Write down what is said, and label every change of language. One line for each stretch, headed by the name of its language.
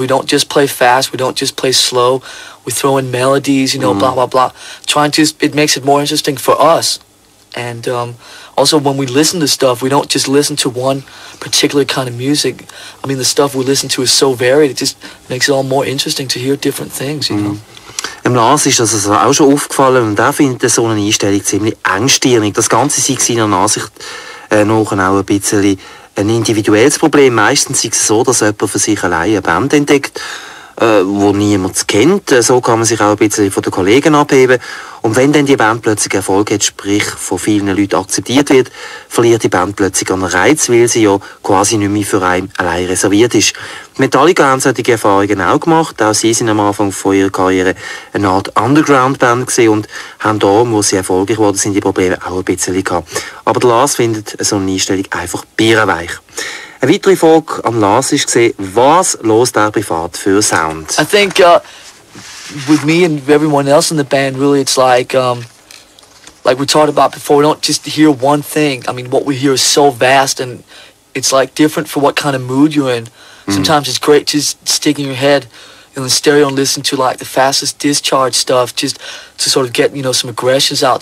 English: We don't just play fast, we don't just play slow, we throw in melodies, you know, blah blah blah, trying to, it makes it more interesting for us. And also when we listen to stuff, we don't just listen to one particular kind of music. I mean, the stuff we listen to is so varied, it just makes it all more interesting to hear different things, you know.
German: Im Lars ist das also auch schon aufgefallen, und er findet so eine Einstellung ziemlich engstirnig. Das Ganze sei seiner Ansicht nach auch ein bisschen ein individuelles Problem. Meistens ist es so, dass jemand für sich allein eine Band entdeckt, die niemand kennt. So kann man sich auch ein bisschen von den Kollegen abheben. Und wenn dann die Band plötzlich Erfolg hat, sprich von vielen Leuten akzeptiert wird, verliert die Band plötzlich an Reiz, weil sie ja quasi nicht mehr für einen allein reserviert ist. Metallica haben solche Erfahrungen auch gemacht. Auch sie sind am Anfang von ihrer Karriere eine Art Underground-Band gewesen und haben da, wo sie erfolgreich geworden sind, die Probleme auch ein bisschen gehabt. Aber Lars findet so eine Einstellung einfach bierenweich. Eine weitere Frage an Lars ist gewesen, was los der privat für Sound?
English: I think, with me and everyone else in the band, really, it's like we talked about before, we don't just hear one thing. I mean, what we hear is so vast, and it's like different for what kind of mood you're in. Sometimes it's great just sticking your head in the stereo and listen to like the fastest Discharge stuff, just to sort of get, you know, some aggressions out.